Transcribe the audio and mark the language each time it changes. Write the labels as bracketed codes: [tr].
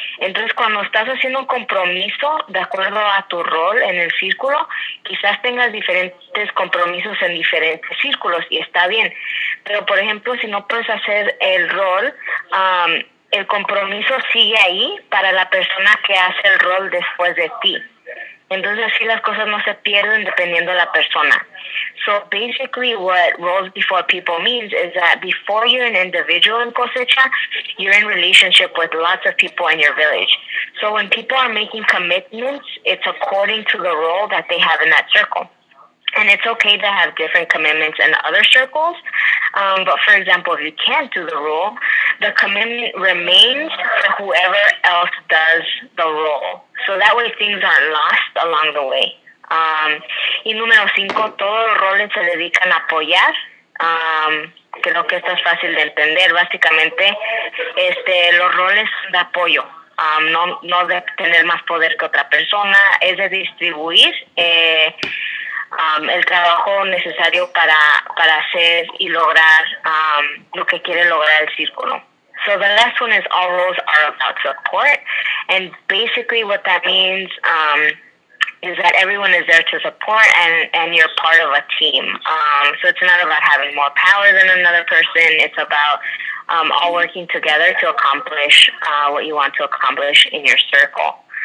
[es] Entonces, cuando estás haciendo un compromiso de acuerdo a tu rol en el círculo, quizás tengas diferentes compromisos en diferentes círculos y está bien. Pero, por ejemplo, si no puedes hacer el rol, el compromiso sigue ahí para la persona que hace el rol después de ti. Entonces, así las cosas no se pierden dependiendo de la persona. [en] So basically what roles before people means is that before you're an individual in cosecha, you're in relationship with lots of people in your village. So when people are making commitments, it's according to the role that they have in that circle. And it's okay to have different commitments in other circles. But for example, if you can't do the role, the commitment remains for whoever else does the role. So that way things aren't lost along the way. [es] Y número cinco, todos los roles se dedican a apoyar. Creo que esto es fácil de entender. Básicamente, los roles de apoyo, no de tener más poder que otra persona, es de distribuir el trabajo necesario para hacer y lograr lo que quiere lograr el círculo. [en] So the last one is all roles are about support. And basically what that means is that everyone is there to support and you're part of a team. So it's not about having more power than another person. It's about all working together to accomplish what you want to accomplish in your circle.